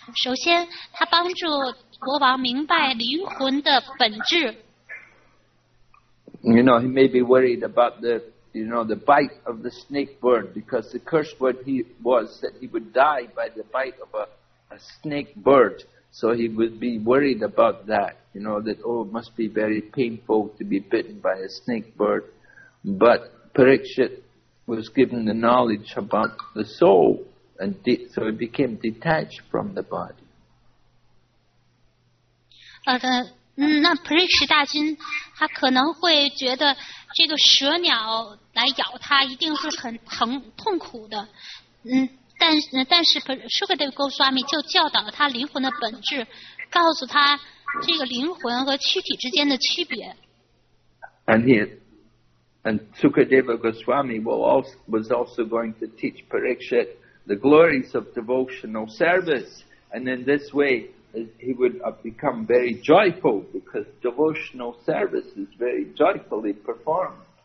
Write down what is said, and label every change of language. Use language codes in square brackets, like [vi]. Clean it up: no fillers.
[zh] 首先，他帮助国王明白灵魂的本质。 [en] You know, he may be worried about the bite of the snake bird, because the curse word he was that he would die by the bite of a snake bird. So he would be worried about that, you know, that, oh, it must be very painful to be bitten by a snake bird. But Parikshit was given the knowledge about the soul, and so he became detached from the body. [zh] Parikshit 大君他可能会觉得这个蛇鸟来咬他一定是很疼痛苦的，但是 Sukadeva Goswami 就教导了他灵魂的本质，告诉他这个灵魂和躯体之间的区别。 [en] And Sukadeva Goswami was also going to teach Parikshit the glories of devotional service. And in this way, he would become very joyful because devotional service is very joyfully performed.